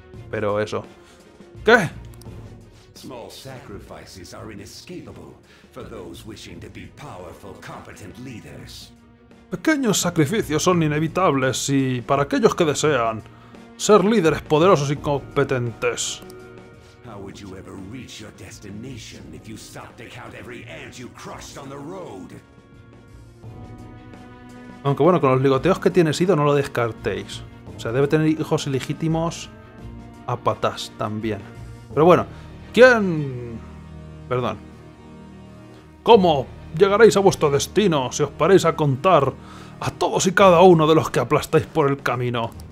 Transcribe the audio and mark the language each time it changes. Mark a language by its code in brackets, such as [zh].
[es] Pero eso. ¿Qué? [en] Small sacrifices are inescapable for those wishing to be powerful, competent leaders. [es] Pequeños sacrificios son inevitables y para aquellos que desean ser líderes poderosos y competentes. [en] How would you ever reach your destination if you stopped to count every ant you crushed on the road? [es] Aunque bueno, con los ligoteos que tiene Sido no lo descartéis. O sea, debe tener hijos ilegítimos a patas también. Pero bueno, ¿quién? Perdón. ¿Cómo llegaréis a vuestro destino si os paréis a contar a todos y cada uno de los que aplastáis por el camino?